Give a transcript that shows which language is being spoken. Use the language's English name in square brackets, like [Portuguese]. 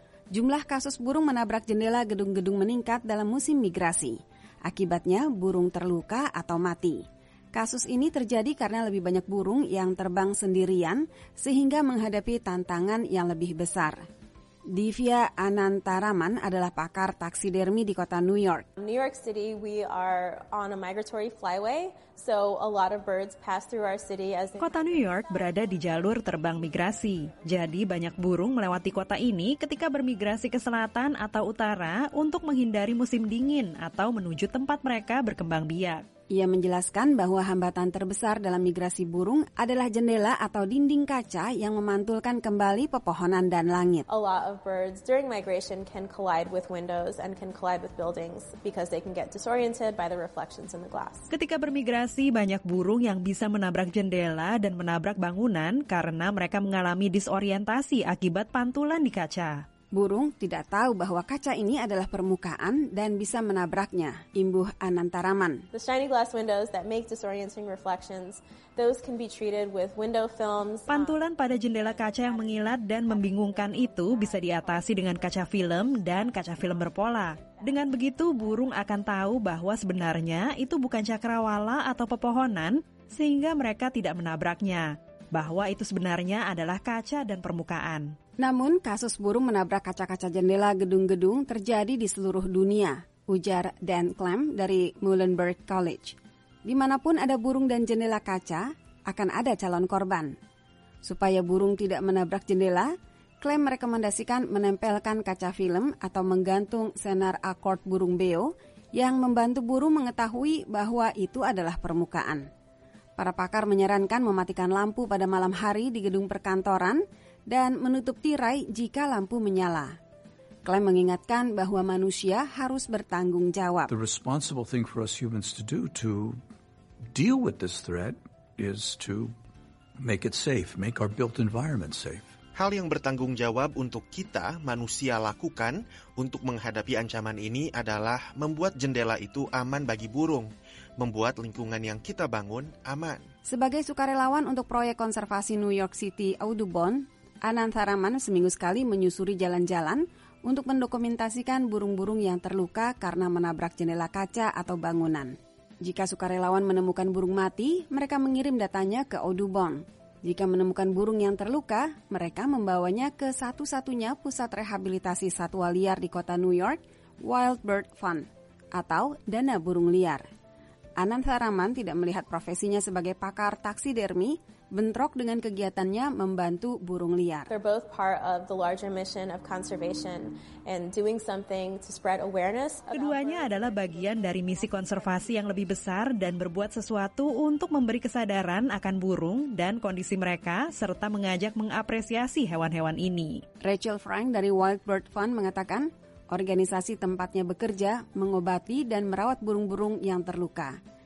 [Indonesian] Jumlah kasus burung menabrak jendela gedung-gedung meningkat dalam musim migrasi. Akibatnya burung terluka atau mati. Kasus ini terjadi karena lebih banyak burung yang terbang sendirian sehingga menghadapi tantangan yang lebih besar. Divya Anantaraman adalah pakar taksidermi di kota New York. [English] New York City, we are on a migratory flyway, so a lot of birds pass through our city as. [Indonesian] Kota New York berada di jalur terbang migrasi, jadi banyak burung melewati kota ini ketika bermigrasi ke selatan atau utara untuk menghindari musim dingin atau menuju tempat mereka berkembang biak. Ia menjelaskan bahwa hambatan terbesar dalam migrasi burung adalah jendela atau dinding kaca yang memantulkan kembali pepohonan dan langit. [English] A lot of birds during migration can collide with windows and can collide with buildings because they can get disoriented by the reflections in the glass. [Indonesian] Ketika bermigrasi, banyak burung yang bisa menabrak jendela dan menabrak bangunan karena mereka mengalami disorientasi akibat pantulan di kaca. Burung tidak tahu bahwa kaca ini adalah permukaan dan bisa menabraknya, imbuh Anantaraman. [English] The shiny glass windows that make disorienting reflections, those can be treated with window films. [Indonesian] Pantulan pada jendela kaca yang mengilat dan membingungkan itu bisa diatasi dengan kaca film dan kaca film berpola. Dengan begitu, burung akan tahu bahwa sebenarnya itu bukan cakrawala atau pepohonan, sehingga mereka tidak menabraknya. Bahwa itu sebenarnya adalah kaca dan permukaan. Namun, kasus burung menabrak kaca-kaca jendela gedung-gedung terjadi di seluruh dunia, ujar Dan Clem dari Muhlenberg College. Dimanapun ada burung dan jendela kaca, akan ada calon korban. Supaya burung tidak menabrak jendela, Clem merekomendasikan menempelkan kaca film atau menggantung senar akord burung beo yang membantu burung mengetahui bahwa itu adalah permukaan. Para pakar menyarankan mematikan lampu pada malam hari di gedung perkantoran dan menutup tirai jika lampu menyala. Klaim mengingatkan bahwa manusia harus bertanggung jawab. [English] The responsible thing for us humans to do to deal with this threat is to make it safe, make our built environment safe. [Indonesian] Hal yang bertanggung jawab untuk kita manusia lakukan untuk menghadapi ancaman ini adalah membuat jendela itu aman bagi burung, membuat lingkungan yang kita bangun aman. Sebagai sukarelawan untuk proyek konservasi New York City Audubon, Anantaraman seminggu sekali menyusuri jalan-jalan untuk mendokumentasikan burung-burung yang terluka karena menabrak jendela kaca atau bangunan. Jika sukarelawan menemukan burung mati, mereka mengirim datanya ke Audubon. Jika menemukan burung yang terluka, mereka membawanya ke satu-satunya pusat rehabilitasi satwa liar di kota New York, Wild Bird Fund, atau Dana Burung Liar. Anantaraman tidak melihat profesinya sebagai pakar taksidermi bentrok dengan kegiatannya membantu burung liar. [English] They're both part of the larger mission of conservation and doing something to spread awareness. [Indonesian] Keduanya adalah bagian dari misi konservasi yang lebih besar dan berbuat sesuatu untuk memberi kesadaran akan burung dan kondisi mereka serta mengajak mengapresiasi hewan-hewan ini. Rachel Frank dari Wild Bird Fund mengatakan, organisasi tempatnya bekerja mengobati dan merawat burung-burung yang terluka.